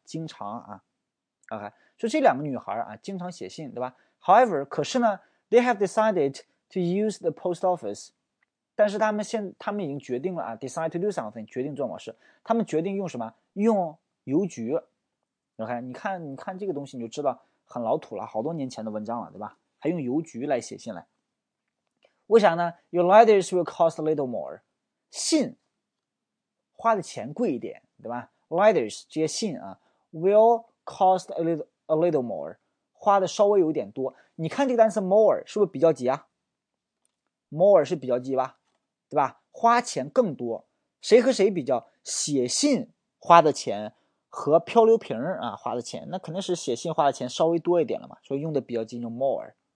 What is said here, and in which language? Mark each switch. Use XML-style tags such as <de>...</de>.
<zh>经常啊 ，OK， 所以这两个女孩啊，经常写信，对吧 ？However， 可是呢 ，</zh> <en>they have decided to use the post office，</en> <zh>但是他们已经决定了啊 ，decide to do something， 决定做某事，他们决定用什么？用邮局。OK， 你看这个东西你就知道很老土了，好多年前的文章了，对吧？还用邮局来写信来。为啥呢 ？</zh> <en>Your letters will cost a little more，</en> <zh>信花的钱贵一点，对吧 ？Letters 这些信啊 ，</zh> <en>will cost a little more，</en> <zh>花的稍微有点多。你看这个单词 more 是不是比较级啊 ？More 是比较级吧，对吧？花钱更多，谁和谁比较？写信花的钱和漂流瓶啊花的钱，那肯定是写信花的钱稍微多一点了嘛，所以用的比较级用 more。</zh>